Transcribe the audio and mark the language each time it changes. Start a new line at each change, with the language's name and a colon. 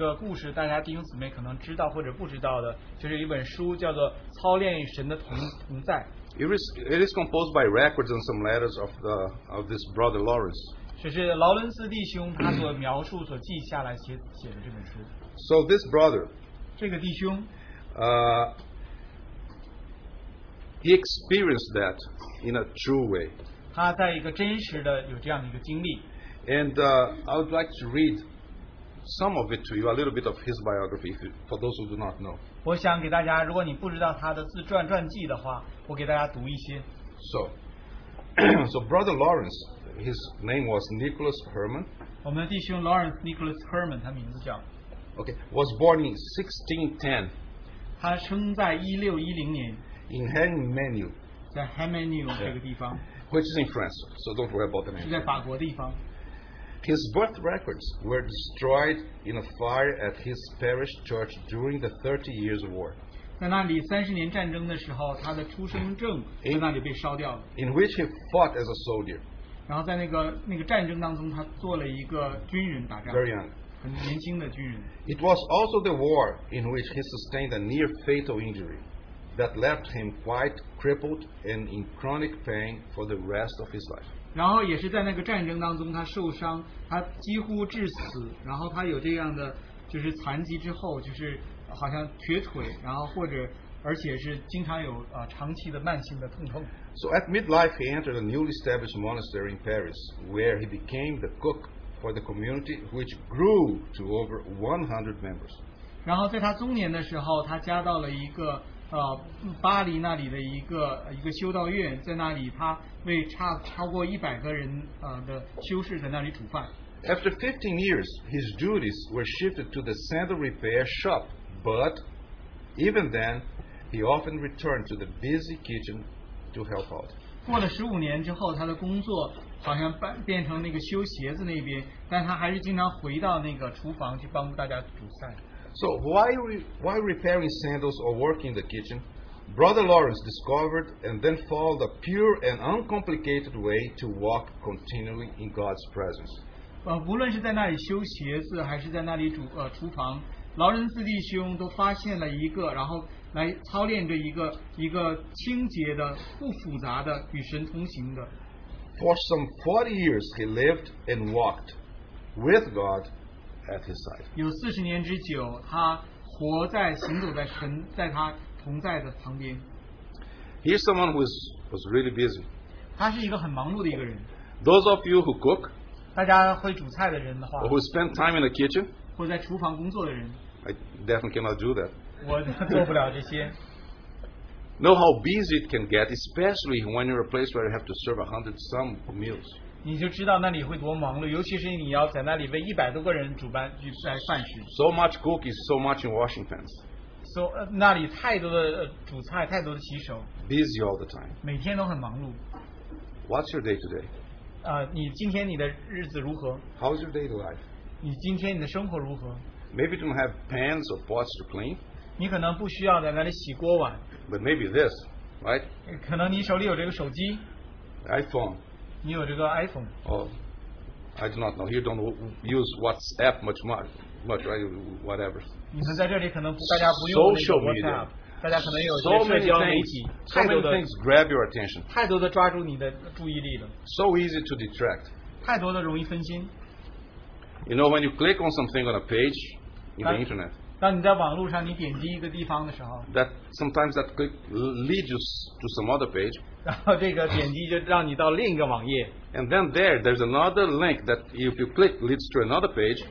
Chinese: 这个就让我们讲到了说有一个故事大家弟兄姊妹可能知道或者不知道的, 就是一本书叫做操练神的同在。
English: It is composed by records and some letters of this brother Lawrence.
Chinese: 这是劳伦斯弟兄他所描述所记下来写的这本书。
English: So this brother,
Chinese: 这个弟兄,
English: he experienced that in a true way.
Chinese: 他在一个真实的有这样的一个经历。
English: And I would like to read some of it to you, a little bit of his biography, for those who do not know.
Chinese: 我想给大家, 如果你不知道他的自传传记的话, 我给大家读一些。
English: So brother Lawrence, his name was Nicholas Herman.
Chinese: 我们的弟兄 Lawrence Nicholas Herman, 他名字叫,
English: okay, was born in 1610.
Chinese: 他生在1610年,
English: in Hemenu,
Chinese: 在Hemenu这个地方,
English: which is in France, so don't worry about the name.
Chinese: 是在法国地方。
English: His birth records were destroyed in a fire at his parish church during the 30 Years' War.
Chinese: 在那里30年战争的时候, 他的出生证在那里被烧掉了。
English: In which he fought as a soldier.
Chinese: 然后在那个战争当中他做了一个军人打仗。
English: Very young.
Chinese: 很年轻的军人。
English: It was also the war in which he sustained a near-fatal injury that left him quite crippled and in chronic pain for the rest of his life.
Chinese: 然后也是在那个战争当中他受伤, 他几乎致死, 然后他有这样的就是残疾之后, 就是好像瘸腿, 然后或者而且是经常有, 长期的慢性的痛痛。
English: So at midlife he entered a newly established monastery in Paris, where he became the cook for the community, which grew to over 100 members.
Chinese: 然后在他中年的时候, 他加到了一个, 巴黎那里的一个修道院, 在那里他, 为差不多100个人, 的修士在那里煮饭。
English: After 15 years, his duties were shifted to the sandal repair shop, but even then, he often returned to the busy kitchen to help out.
Chinese: 过了15年之后, 他的工作好像变成那个修鞋子那边, 但他还是经常回到那个厨房去帮助大家煮饭。
English: So while repairing sandals or working in the kitchen, Brother Lawrence discovered and then followed a pure and uncomplicated way to walk continually in God's presence.
Chinese: 无论是在那里修鞋子还是在那里厨房, 劳伦斯弟兄都发现了一个, 然后来操练着一个清洁的不复杂的与神同行的。
English: For some 40 years he lived and walked with God at his side.
Chinese: 有40年之久, 他活在行走在神, 在他同在的旁边。
English: Here's someone who was really busy. Those of you who cook,
Chinese: 大家会煮菜的人的话,
English: or who spend time in the kitchen,
Chinese: 或者在厨房工作的人,
English: I definitely cannot do that.
Chinese: 我做不了这些。
English: Know how busy it can get, especially when you're a place where you have to serve 100 some meals.
Chinese: 你就知道那里会多忙碌, 尤其是你要在那里为100多个人煮饭, 煮饭食。
English: So much cook is so much in washing pans.
Chinese: So, 那里太多的煮菜, 太多的洗手,
English: busy all the time.
Chinese: 每天都很忙碌。
English: What's your day today?
Chinese: 你今天你的日子如何?
English: How's your daily life?
Chinese: 你今天你的生活如何?
English: Maybe you don't have pans or pots to clean.
Chinese: 你可能不需要在那里洗锅碗。
English: But maybe this, right?
Chinese: 可能你手里有这个手机,
English: iPhone.
Chinese: 你有这个iPhone.
English: Oh, I do not know. You don't use WhatsApp much, right? Whatever.
Chinese: 你们在这里可能大家不用那个WhatsApp,
English: social media.
Chinese: 大家可能有社交媒体。
English: So many things grab your attention.
Chinese: 太多的抓住你的注意力了。
English: So easy to detract.
Chinese: 太多的容易分心。
English: You know, when you click on something on a page in the internet,
Chinese: 当你在网络上你点击一个地方的时候,
English: that sometimes that click leads you to some other page.
Chinese: 然后这个点击就让你到另一个网页,
English: and then there's another link that if you click leads to another page.